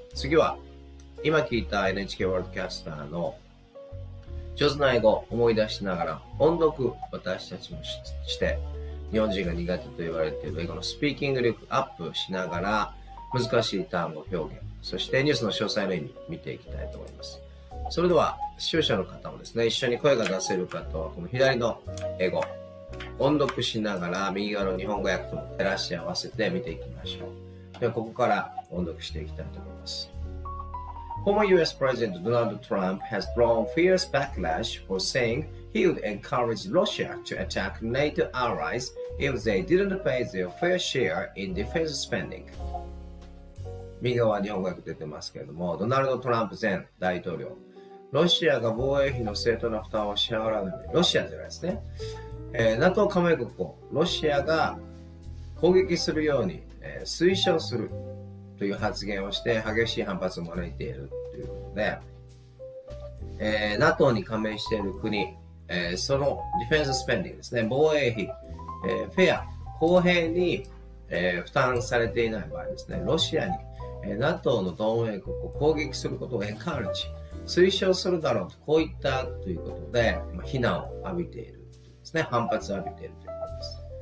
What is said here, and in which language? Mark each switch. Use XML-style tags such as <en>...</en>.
<ja>次は今聞いた NHK ワールドキャスターの上手な英語を思い出しながら音読、私たちもして日本人が苦手と言われている英語のスピーキング力アップしながら難しい単語表現、そしてニュースの詳細の意味見ていきたいと思います。それでは視聴者の方もですね、一緒に声が出せる方はこの左の英語音読しながら右側の日本語訳と照らし合わせて見ていきましょう。ではここから音読していきたいと思います。</ja> <en>Former US President Donald Trump has drawn fierce backlash for saying he would encourage Russia to attack NATO allies if they didn't pay their fair share in defense spending.</en> <ja>右側は日本語訳出てますけれども、ドナルド・トランプ前大統領、ロシアが防衛費の正当な負担を支払わない、ロシアじゃないですね、NATO 加盟国をロシアが攻撃するように、推奨するという発言をして激しい反発を招いているということで、NATO に加盟している国、そのディフェンススペンディングですね、防衛費、フェア、公平に、負担されていない場合ですね、ロシアに、NATO の同盟国を攻撃することをエンカウンチ推奨するだろうと、こういったということで、まあ、非難を浴びているですね、反発を浴びているということです。</ja>